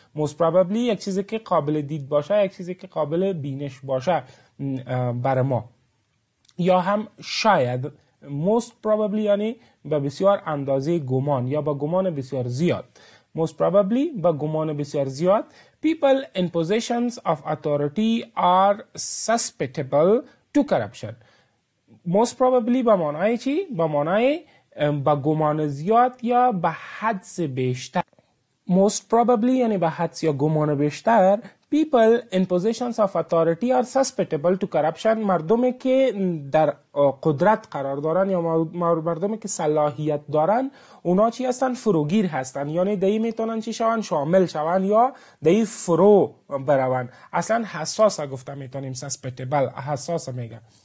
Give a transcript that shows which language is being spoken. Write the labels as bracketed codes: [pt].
[fa] Most probably یک چیزی که قابل دید باشه، یک چیزی که قابل بینش باشه بر ما. یا هم شاید. Most probably یعنی به بسیار اندازه گمان یا به گمان بسیار زیاد. Most probably به گمان بسیار زیاد. [en] People in positions of authority are susceptible to corruption. [fa] Most probably به معنای چی؟ به معنای به گمان زیاد یا به حدس بیشتر. Most probably یعنی به حدس یا گمان بیشتر. [en] People in positions of authority are susceptible to corruption. [fa] مردمی که در قدرت قرار دارن یا مردمی که صلاحیت دارن اونا چی هستن؟ فروگیر هستن. یعنی دهی میتونن چی شون؟ شامل شون یا دهی فرو برون. اصلا حساس ها گفتم میتونیم susceptible حساس ها میگن.